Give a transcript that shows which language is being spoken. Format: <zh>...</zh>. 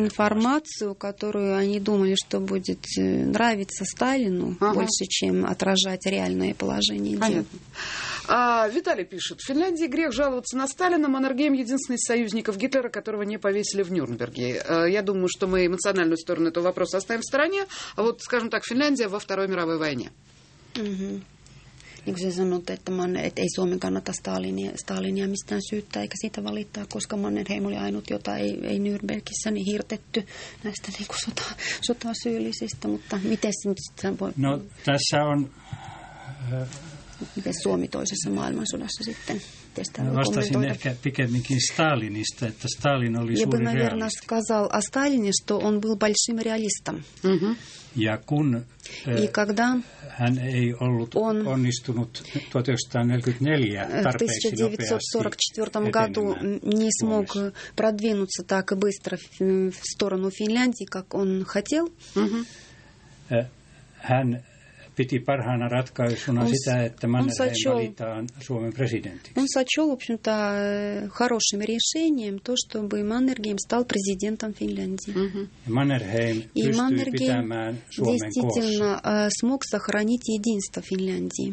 <ru>Informaatio, которую они думали, что будет нравиться Сталину, больше, чем отражать реальное положение дел. Виталий пишет. В Финляндии грех жаловаться на Сталина. Маннергейм – единственный из союзников Гитлера, которого не повесили в Нюрнберге. Я думаю, что мы эмоциональную сторону этого вопроса оставим в стороне. А вот, скажем так, Финляндия во Второй мировой войне.</ru> <fi>niin kuin sinä sanot, että ei Suomen kannata Stalinia mistään syyttää eikä siitä valittaa, koska Mannerheim oli ainut, jota ei Nürnbergissä niin hirtetty näistä niin kuin sotasyyllisistä, mutta miten se nyt sitten voi... No tässä on... Miten Suomi toisessa maailmansodassa sitten? Vastasin ehkä pikemminkin Stalinista, että Stalin oli suuri realisti.</fi> <ru>Сказал, а Сталин, что он был большим реалистом.</ru> <fi>Ja kun hän ei ollut onnistunut 1944 tarpeeksi nopeasti etenemään.</fi> <ru>Продвинуться так быстро в сторону Финляндии, как он хотел.</ru> <fi>Hän piti parhaana ratkaisuna sitä, että Mannerheim valitaan Suomen presidentiksi.</fi> <ru>Он сочёл, в общем-то, хорошим решением то, чтобы Маннергейм стал президентом Финляндии.</ru> <fi>Маннергейм пystyi pitämään Suomen koossa.</fi> <ru>Действительно, смог сохранить единство Финляндии.</ru>